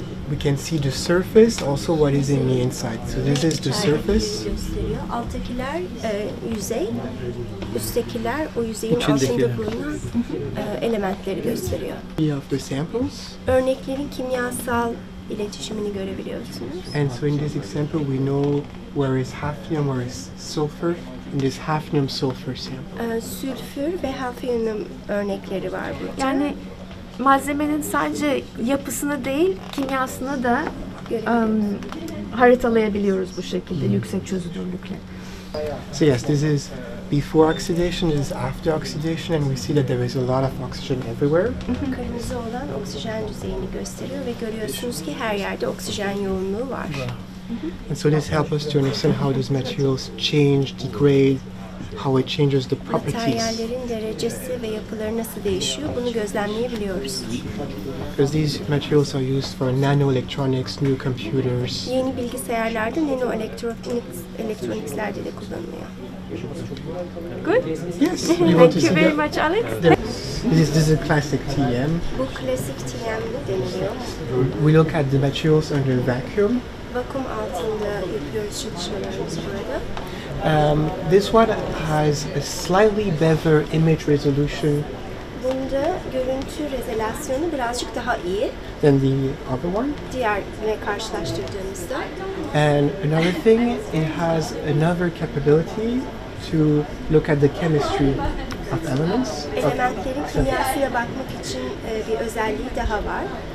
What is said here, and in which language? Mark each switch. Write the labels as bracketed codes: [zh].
[en] we can see the surface, also what is in the inside. So this is the surface. [tr] Alttakiler yüzey, üsttekiler o yüzeyin altında bulunan elementleri gösteriyor. [en] We have the samples. [tr] Örneklerin kimyasal iletişimini görebiliyorsunuz. [en] And so in this example we know where is hafnium, where is sulfur. In this hafnium sulfur sample. [tr] Sülfür ve hafnium örnekleri var burada. Yani malzemenin sadece yapısını değil, kimyasını da haritalayabiliyoruz bu şekilde yüksek çözünürlükle. [en] So yes, this is before oxidation, this is after oxidation and we see that there is a lot of oxygen everywhere. [tr] Kırmızı olan oksijen düzeyini gösteriyor ve görüyorsunuz ki her yerde oksijen yoğunluğu var. [en] And so this helps us to understand how these materials change, degrade, how it changes the properties. [tr] Materyallerin derecesi ve yapıları nasıl değişiyor, bunu gözlemleyebiliyoruz. [en] Because these materials are used for nanoelectronics, new computers. [tr] Yeni bilgisayarlarda nanoelektroniklerde de kullanılıyor. [en] Good? Yes. Thank you very much, Alex. This is a classic TEM. [tr] Bu klasik TEM deniliyor. [en] We look at the materials under vacuum. [tr] Vakum altında yapıyoruz çalışmalarımız burada. [en] This one has a slightly better image resolution. [tr] Bunda görüntü rezolüsyonu birazcık daha iyi. [en] Than the other one. [tr] Diğerine karşılaştırdığımızda. [en] And another thing, it has another capability to look at the chemistry of elements. [tr] Elementlerin kimyasına bakmak için bir özelliği daha var.